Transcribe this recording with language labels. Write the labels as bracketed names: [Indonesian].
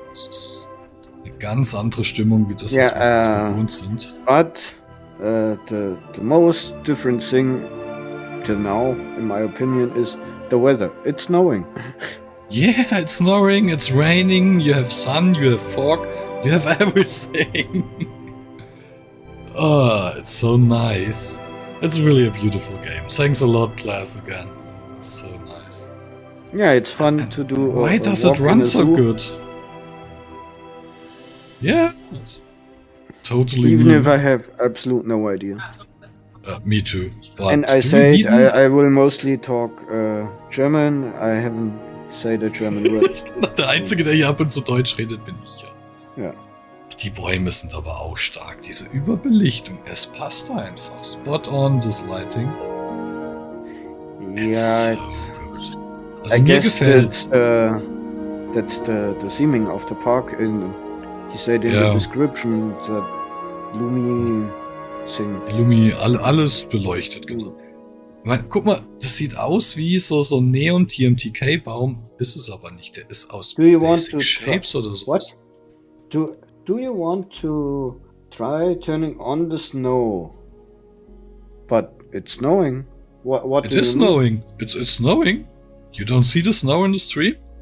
[German] Das ist eine ganz andere Stimmung, wie das, was wir uns gewohnt sind. [English] But the most different thing till now, in my opinion, is the weather. It's snowing. Yeah, it's snowing, it's raining, you have sun, you have fog, you have everything. Oh, it's so nice. It's really a beautiful game. Thanks a lot, Class, again. It's so nice. Yeah, it's fun to do. Why does it run so good? Yeah, totally. Even if I have absolute no idea. Me too. But and I said I will mostly talk German. I haven't said a German word. [German] Der einzige, der hier ab und zu Deutsch redet, bin ich ja. [English] Yeah. [German] Die Bäume sind aber auch stark. Diese Überbelichtung, es passt einfach. [English] Spot on this lighting. Yeah, it's so good. Also I guess that's the theming of the park. He said in the description that Lumi thing. [German] Lumi, alles beleuchtet, genau. Ich meine, guck mal, das sieht aus wie so ein Neon-TMTK-Baum. Ist es aber nicht. Der ist aus Basic Shapes oder so. [English] What? Do you want to try turning on the snow? But it's snowing. What it is snowing. It's snowing. You don't see the snow in the stream?